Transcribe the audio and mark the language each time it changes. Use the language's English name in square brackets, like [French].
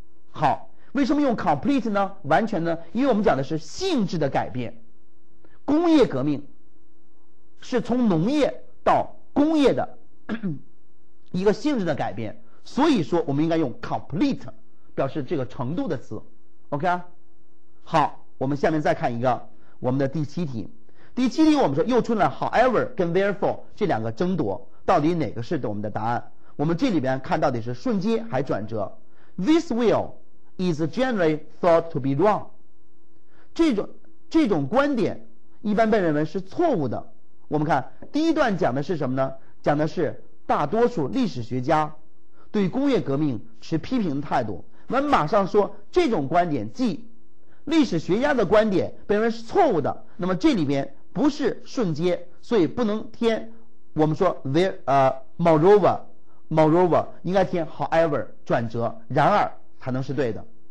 [Chinese] 好，为什么用 complete 呢？完全呢？因为我们讲的是性质的改变，工业革命是从农业到工业的一个性质的改变，所以说我们应该用 complete 表示这个程度的词， OK。好，我们下面再看一个我们的第七题。第七题我们说又出来 however 跟 therefore 这两个争夺，到底哪个是我们的答案？我们这里边看到底是瞬间还转折。 [English] this will is generally thought to be wrong. [Chinese] 这种观点一般被认为是错误的。我们看第一段讲的是什么呢？讲的是大多数历史学家对工业革命持批评的态度。我们马上说这种观点，即历史学家的观点被认为是错误的，那么这里边不是瞬间，所以不能添，我们说 moreover 应该添 however 转折，然而才能是对的。